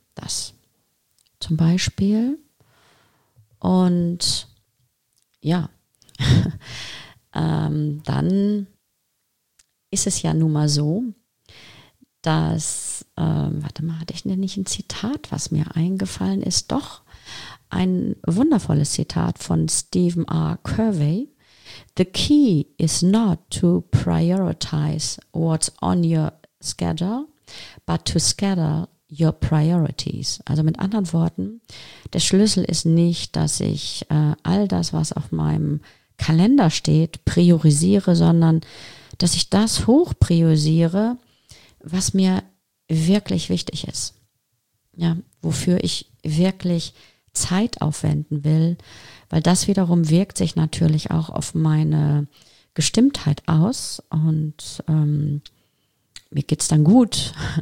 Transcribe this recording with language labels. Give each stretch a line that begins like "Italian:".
German: Das zum Beispiel. Und ja, dann ist es ja nun mal so, dass, warte mal, hatte ich denn nicht ein Zitat, was mir eingefallen ist? Doch, ein wundervolles Zitat von Stephen R. Covey.
English: The key is not to prioritize what's on your schedule, but to schedule your priorities.
German: Also mit anderen Worten, der Schlüssel ist nicht, dass ich all das, was auf meinem Kalender steht, priorisiere, sondern dass ich das hochpriorisiere, was mir wirklich wichtig ist. Ja, wofür ich wirklich Zeit aufwenden will, weil das wiederum wirkt sich natürlich auch auf meine Gestimmtheit aus und mir geht's dann gut.